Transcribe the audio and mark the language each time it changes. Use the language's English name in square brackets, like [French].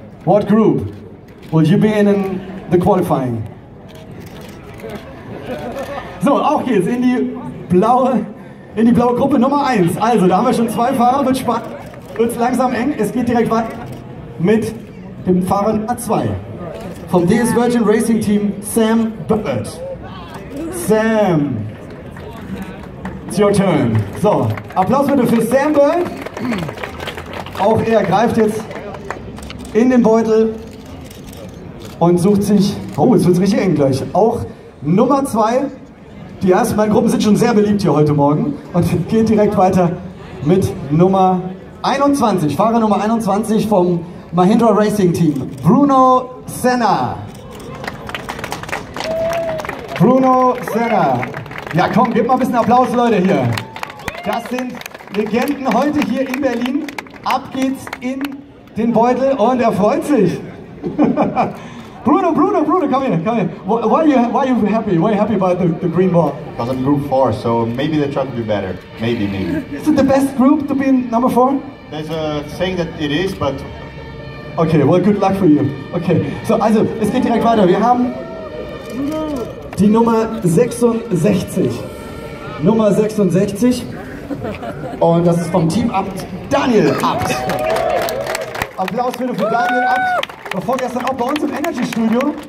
[English] What group will you be in the qualifying? [German] So, auch geht's in die blaue. In die blaue Gruppe Nummer 1. Also, da haben wir schon zwei Fahrer. Wird spannend. Wird langsam eng. Es geht direkt weiter mit dem Fahrer Nummer 2. Vom DS Virgin Racing Team, Sam Bird. Sam. [English] It's your turn. [German] So, Applaus bitte für Sam Bird. Auch er greift jetzt in den Beutel und sucht sich. Oh, jetzt wird es richtig eng gleich. Auch Nummer 2. Die ersten beiden Gruppen sind schon sehr beliebt hier heute Morgen und geht direkt weiter mit Nummer 21. Fahrer Nummer 21 vom Mahindra Racing Team, Bruno Senna. Bruno Senna. Ja komm, gib mal ein bisschen Applaus, Leute, hier. Das sind Legenden heute hier in Berlin. Ab geht's in den Beutel und er freut sich. [English] Bruno, come here, come here. Why are you happy? Why are you happy about the green ball? Because I'm group 4, so maybe they're trying to be better. Maybe. Is it the best group to be in number 4? There's a saying that it is, but... Okay, well, good luck for you. [German] Okay, so, also, es geht direkt weiter. Wir haben die Nummer 66. Nummer 66. Und das ist vom Team Abt, Daniel Abt. Applaus bitte für Daniel Abt. Vorgestern auch bei uns im Energy-Studio.